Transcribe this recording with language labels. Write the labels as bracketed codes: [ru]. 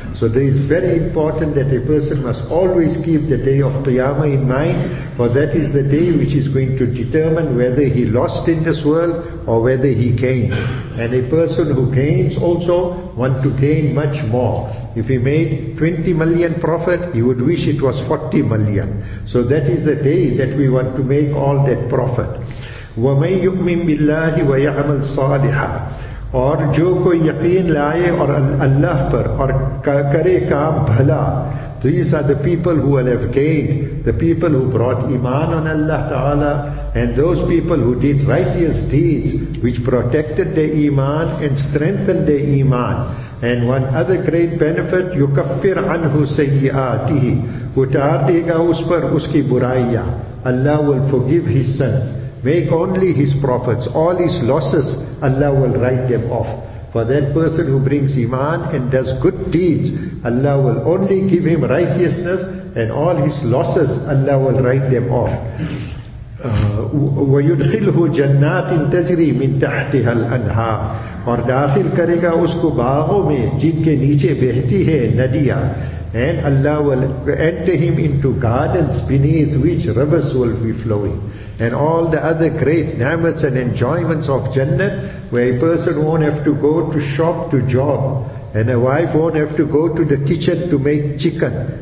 [en] So it is very important that a person must always keep the day of Qiyamah in mind, for that is the day which is going to determine whether he lost in this world or whether he gained. And a person who gains also wants to gain much more. If he made 20 million profit, he would wish it was 40 million. So that is the day that we want to make all that profit. [ar] وَمَنْ يُؤْمِنْ بِاللَّهِ وَيَعْمَلْ صَالِحًا. [ur] اور جو کوئی یقین لائے اور اللہ پر اور کرے کام بھلا. [en] These are the people who will have gained, the people who brought iman on Allah Ta'ala, and those people who did righteous deeds which protected their iman and strengthened their iman. And one other great benefit, [ar] يُكَفِّرْ عَنْهُ سَيِّئَاتِهِ. [ur] اُتَارْ دِگَا اُس پر اُس کی بُرَائِيَا. [en] Allah will forgive his sins. Make only his profits. All his losses, Allah will write them off. For that person who brings iman and does good deeds, Allah will only give him righteousness, and all his losses, Allah will write them off. [ar] وَيُدْخِلْهُ جَنَّاتٍ تَجْرِي مِنْ تَحْتِهَا الْأَنْهَارِ [ur] اور داخل کرے گا اس کو باغوں میں جن کے نیچے بہتی ہے ندیاں. [en] And Allah will enter him into gardens beneath which rivers will be flowing. And all the other great ni'mats and enjoyments of Jannah, where a person won't have to go to shop to job, and a wife won't have to go to the kitchen to make chicken.